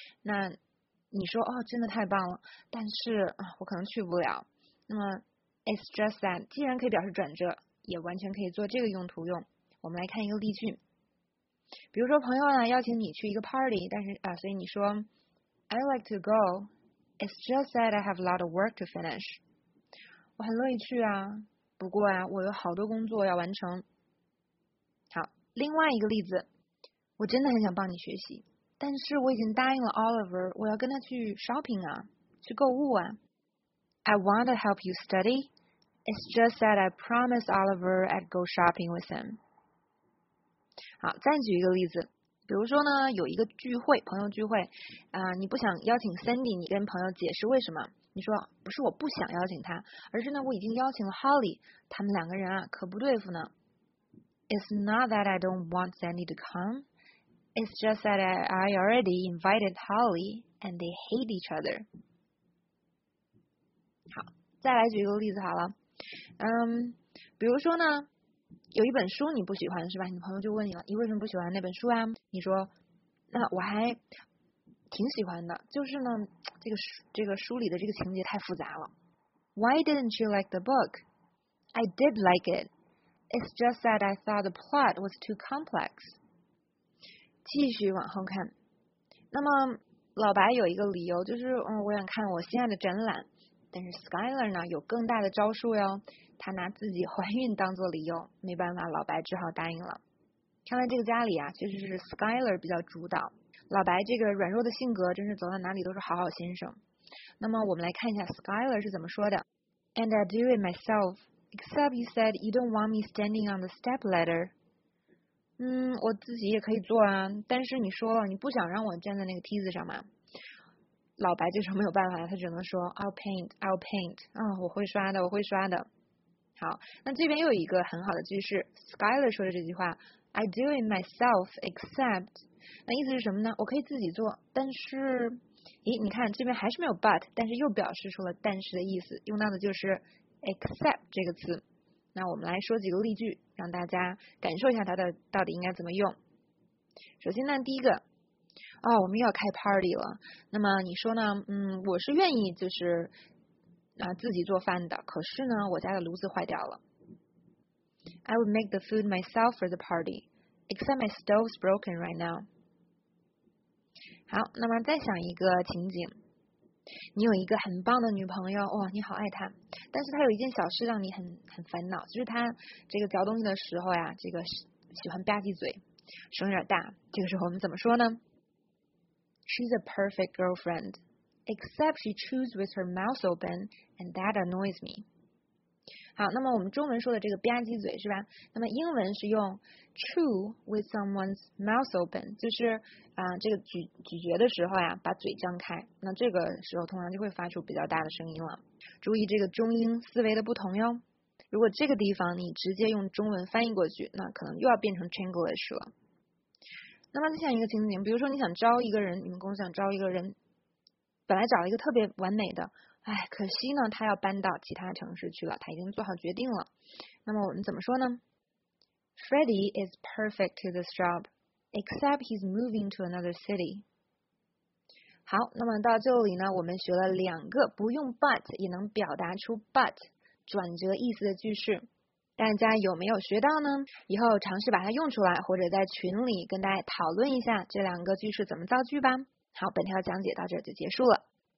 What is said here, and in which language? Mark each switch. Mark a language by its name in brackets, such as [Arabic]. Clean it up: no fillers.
[Chinese] 那你说哦，真的太棒了，但是我可能去不了。那么 [English] "it's just that" [Chinese] 既然可以表示转折，也完全可以做这个用途用。我们来看一个例句。比如说朋友呢邀请你去一个 party， 但是所以你说 [English] I'd like to go. It's just that I have a lot of work to finish. [Chinese] 我很乐意去啊，不过啊我有好多工作要完成。好，另外一个例子，我真的很想帮你学习，但是我已经答应了 Oliver， 我要跟他去 shopping 啊，去购物啊。 [English] I want to help you study. It's just that I promised Oliver I'd go shopping with him. [Chinese] 好，再举一个例子，比如说呢，有一个聚会，朋友聚会，你不想邀请 Sandy， 你跟朋友解释为什么？你说不是我不想邀请他，而是呢我已经邀请了 Holly， 他们两个人啊可不对付呢。 [English] It's not that I don't want Sandy to come. It's just that I already invited Holly and they hate each other. [Chinese] 好，再来举一个例子好了，比如说呢。有一本书你不喜欢是吧？你朋友就问你了，你为什么不喜欢那本书啊？你说，那我还挺喜欢的，就是呢，这个书里的这个情节太复杂了。 [English] Why didn't you like the book? I did like it. It's just that I thought the plot was too complex. [Chinese] 继续往后看，那么老白有一个理由，就是我想看我心爱的展览，但是 Skylar 呢有更大的招数哟。他拿自己怀孕当做理由，没办法，老白只好答应了。看来这个家里啊，确实是 Skylar 比较主导。老白这个软弱的性格，真是走到哪里都是好好先生。那么我们来看一下 [English] Skylar [Chinese] 是怎么说的 [English] ：“And I do it myself, except you said you don't want me standing on the step ladder。” [Chinese] 我自己也可以做啊，但是你说了你不想让我站在那个梯子上嘛。老白这时候没有办法了，他只能说 ： [English] “I'll paint。” [Chinese] 我会刷的，我会刷的。好，那这边又有一个很好的句式 ，Skylar 说的这句话 ， [English] I do it myself except， [Chinese] 那意思是什么呢？我可以自己做，但是，咦，你看这边还是没有 but， 但是又表示出了但是的意思，用到的就是 except 这个词。那我们来说几个例句，让大家感受一下它的到底应该怎么用。首先呢，第一个，我们又要开 party 了，那么你说呢？我是愿意就是。自己做饭的，可是呢，我家的炉子坏掉了。 [English] I would make the food myself for the party, except my stove's broken right now. [Chinese] 好，那么再想一个情景，你有一个很棒的女朋友，哇，你好爱她，但是她有一件小事让你很烦恼，就是她这个嚼东西的时候呀，这个喜欢吧唧嘴，声有点大。这个时候我们怎么说呢？ [English] She's a perfect girlfriend, except she chews with her mouth open, and that annoys me. [Chinese] 好，那么我们中文说的这个吧唧嘴是吧？那么英文是用 [English] chew with someone's mouth open, [Chinese] 就是这个咀嚼的时候呀，把嘴张开，那这个时候通常就会发出比较大的声音了。注意这个中英思维的不同哟。如果这个地方你直接用中文翻译过去，那可能又要变成 Chinglish 了。那么再想一个情景，比如说你想招一个人，你们公司想招一个人，本来找一个特别完美的，哎，可惜呢他要搬到其他城市去了，他已经做好决定了。那么我们怎么说呢？ [English] Freddy is perfect to this job, except he's moving to another city. [Chinese] 好，那么到这里呢，我们学了两个不用 but 也能表达出 but 转折意思的句式。大家有没有学到呢？以后尝试把它用出来，或者在群里跟大家讨论一下这两个句式怎么造句吧。好，本条讲解到这就结束了。